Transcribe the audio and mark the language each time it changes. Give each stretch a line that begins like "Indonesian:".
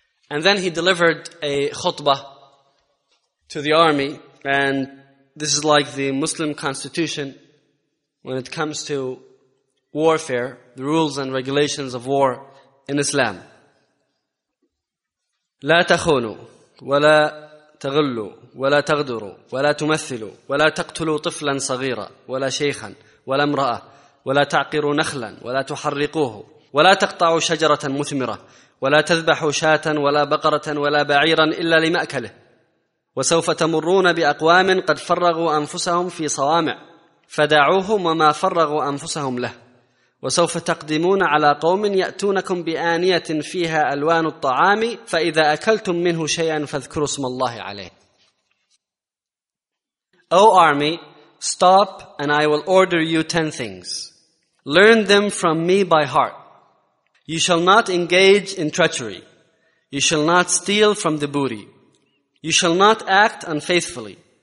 English: And then he delivered a khutbah to the army, and this is like the Muslim constitution when it comes to warfare, the rules and regulations of war in Islam.
Arabic: لا تخونوا ولا تغلوا ولا تغدروا ولا تمثلوا ولا تقتلوا طفلا صغيرا ولا شيخا ولا امرأة ولا تعقروا نخلا ولا تحرقوه ولا تقطعوا شجرة مثمرة ولا تذبحوا شاة ولا بقرة ولا بعيرا إلا لمأكله وسوف تمرون بأقوام قد فرغوا أنفسهم في صوامع فدعوهم وما فرغوا أنفسهم له وسوف تقدمون على قوم يأتونكم بآنية فيها ألوان الطعام فإذا أكلتم منه شيئا فاذكروا اسم الله عليه.
English: O army, stop and I will order you 10 things. Learn them from me by heart. You shall not engage in treachery. You shall not steal from the booty. You shall not act unfaithfully.